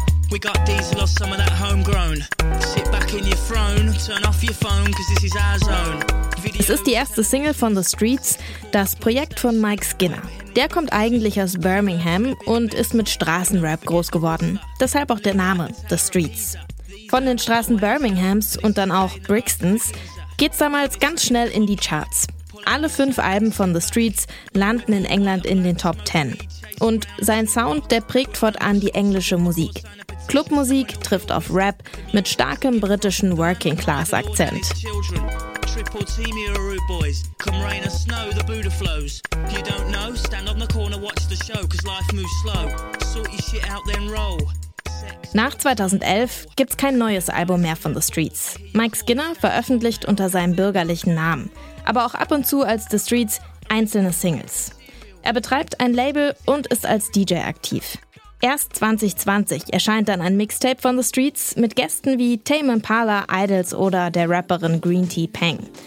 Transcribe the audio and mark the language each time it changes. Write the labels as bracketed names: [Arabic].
[English] We got diesel or some of that homegrown. Sit back in your throne, turn off your phone, cause this is our zone. [German] Es ist die erste Single von The Streets, das Projekt von Mike Skinner. Der kommt eigentlich aus Birmingham und ist mit Straßenrap groß geworden. Deshalb auch der Name, The Streets. Von den Straßen Birminghams und dann auch Brixtons geht's damals ganz schnell in die Charts. Alle 5 Alben von The Streets landen in England in den Top 10. Und sein Sound, der prägt fortan die englische Musik. Clubmusik trifft auf Rap mit starkem britischen Working-Class-Akzent. [English] Triple team here, rude boys. Come rain or snow, the Buddha flows. You don't know, stand on the corner, watch the show, cause life moves slow. Sort your shit out, then roll. [German] Nach 2011 gibt's kein neues Album mehr von The Streets. Mike Skinner veröffentlicht unter seinem bürgerlichen Namen, aber auch ab und zu als The Streets einzelne Singles. Er betreibt ein Label und ist als DJ aktiv. Erst 2020 erscheint dann ein Mixtape von The Streets mit Gästen wie Tame Impala, Idols oder der Rapperin Green Tea Peng.